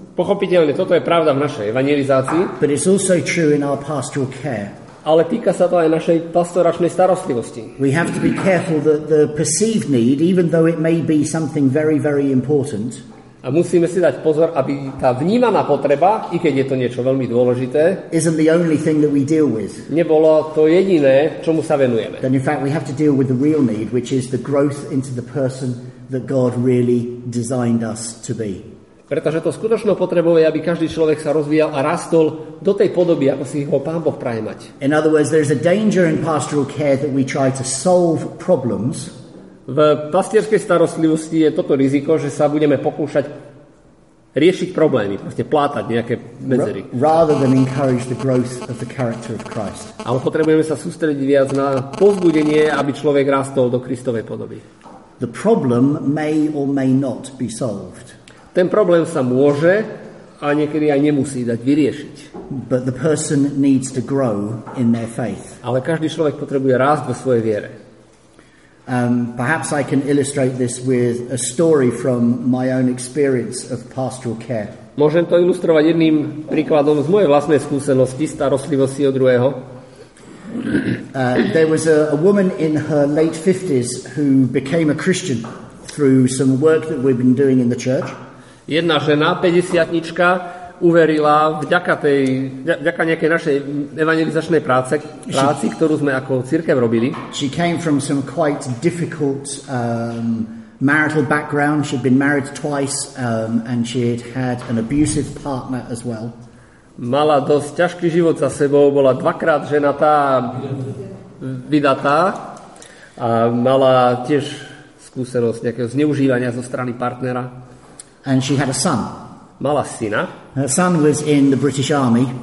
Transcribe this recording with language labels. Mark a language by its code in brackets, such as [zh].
[sk] Pochopiteľne, toto je pravda v našej evangelizácii. [en] But it's also true in our pastoral care. [sk] Ale týka sa to aj našej pastoračnej starostlivosti. [en] We have to be careful that the perceived need, even though it may be something very, very important. [sk] A musíme si dať pozor, aby tá vnímaná potreba, i keď je to niečo veľmi dôležité, [en] isn't the only thing that we deal with. [sk] Nebolo to jediné, čomu sa venujeme. [en] Then in fact we have to deal with the real need, which is the growth into the person that God really designed us to be. [sk] Pretože to skutočnou potrebou je, aby každý človek sa rozvíjal a rastol do tej podoby, ako si ho Pán Boh praje mať. [en] In other words, there is a danger in pastoral care that we try to solve problems. [sk] V pastierskej starostlivosti je toto riziko, že sa budeme pokúšať riešiť problémy, proste plátať nejaké medzery. [en] Rather than encourage the growth of the character of Christ. [sk] Ale potrebujeme sa sústrediť viac na povzbudenie, aby človek rastol do Kristovej podoby. [en] The problem may or may not be solved. [sk] Ten problém sa môže a niekedy aj nemusí dať vyriešiť. [en] But the person needs to grow in their faith. [sk] Ale každý človek potrebuje rásť vo svojej viere. [en] Perhaps I can illustrate this with a story from my own experience of pastoral care. [sk] Môžem to ilustrovať jedným príkladom z mojej vlastnej skúsenosti starostlivosti o druhého. [en] There was a woman in her late 50s who became a Christian through some work that we've been doing in the church. [sk] Jedna žena, 50-tnička, uverila vďaka nejakej našej evangelizačnej práci, ktorú sme ako cirkev robili. [en] She came from some quite difficult marital background. She'd been married twice and she had an abusive partner as well. [sk] Mala dosť ťažký život za sebou, bola dvakrát ženatá, vydatá a mala tiež skúsenosť nejakého zneužívania zo strany partnera. [en] And she had a son. [sk] Mala syna. [en] Her son was in the British Army.